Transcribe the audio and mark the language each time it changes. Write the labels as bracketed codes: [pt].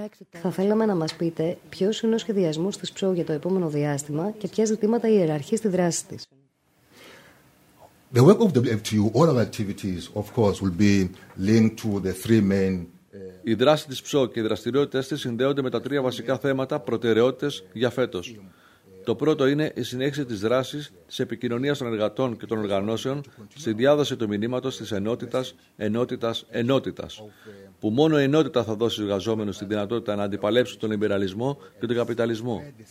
[el] Θα θέλαμε να μας πείτε ποιος είναι ο σχεδιασμός της ΨΟΟ για το επόμενο διάστημα και ποια ζητήματα ιεραρχεί στη δράση της. [en] The work of WFTU, all our activities, of course, will be linked to the three main. [el] Η δράση της ΨΟΟ και οι δραστηριότητες της συνδέονται με τα τρία βασικά θέματα προτεραιότητες για φέτος. Το πρώτο είναι η συνέχιση της δράσης της επικοινωνίας των εργατών και των οργανώσεων στη διάδοση του μηνύματος της ενότητας, ενότητας, ενότητας, που μόνο η ενότητα θα δώσει στους εργαζόμενους τη δυνατότητα να αντιπαλέψουν τον λιμπεραλισμό και τον καπιταλισμό.